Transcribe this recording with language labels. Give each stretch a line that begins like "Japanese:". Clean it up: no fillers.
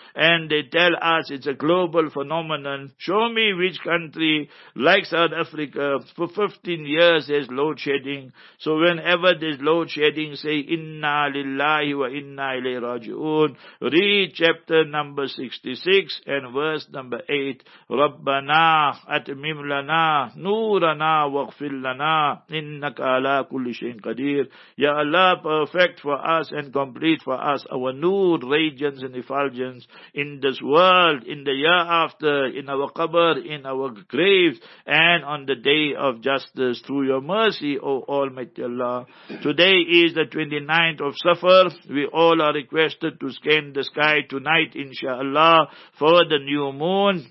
English: And they tell us it's a global phenomenon. Show me which country like South Africa for 15 years has load shedding. So whenever there's load shedding, say, Inna lillahi wa inna ilayhi raji'un. Read chapter number 66 and verse number 8.
Arabic: ربنا أتمم لنا نورنا واغفر لنا إنك على كل شيء قدير.
English: Ya Allah, perfect for us and complete for us our nur, radiance and effulgence in this world, in the year after, in our qabr, in our graves, and on the day of justice, through your mercy, O Almighty Allah. Today is the 29th of Safar. We all are requested to scan the sky tonight, inshallah, for the new moon.